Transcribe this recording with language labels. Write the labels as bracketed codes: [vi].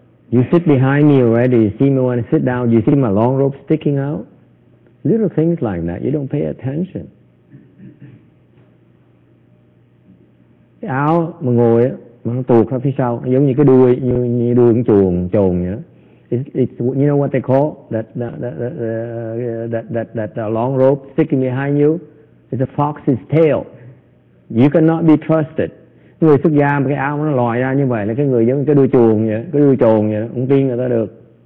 [en] You sit behind me already, you see me when I sit down, you see my long rope sticking out? Little things like that, you don't pay attention. [vi] Cái áo mà ngồi, mà nó tuột ra phía sau, giống như cái đuôi, như đuôi chuồng vậy đó. [en] It's you know what they call that long rope sticking behind you? It's a fox's tail. You cannot be trusted. [vi] Người xuất gia mà cái áo nó lòi ra như vậy là cái người giống cái đuôi chuồng vậy, cái đuôi chuồng vậy, không tin người ta được.